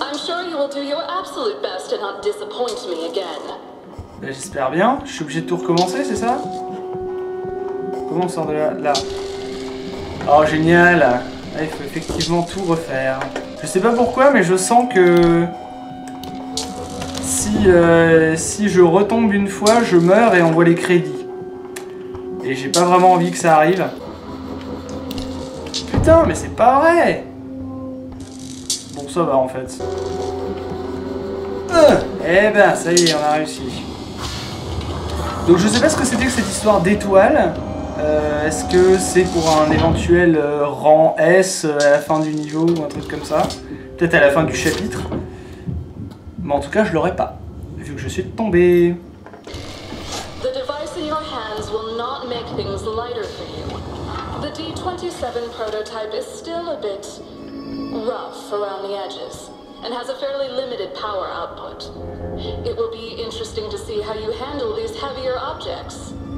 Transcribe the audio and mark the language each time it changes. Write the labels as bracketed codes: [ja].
[en] I'm sure you will do your absolute best to not disappoint me again. [fr] Ben, j'espère bien. Je suis obligé de tout recommencer, c'est ça? Comment on sort de là? Là. Oh, génial. Là, il faut effectivement tout refaire. Je sais pas pourquoi, mais je sens que... Si je retombe une fois, je meurs et on voit les crédits. Et j'ai pas vraiment envie que ça arrive. Putain, mais c'est pas vrai! Ça va en fait. Eh ben, ça y est, on a réussi. Donc, je sais pas ce que c'était que cette histoire d'étoile. Est-ce que c'est pour un éventuel rang S à la fin du niveau ou un truc comme ça? Peut-être à la fin du chapitre. Mais en tout cas, je l'aurais pas, vu que je suis tombé. [en] The device in your hands will not make things lighter for you. The D27 prototype is still a bit. Rough around the edges and has a fairly limited power output. It will be interesting to see how you handle these heavier objects.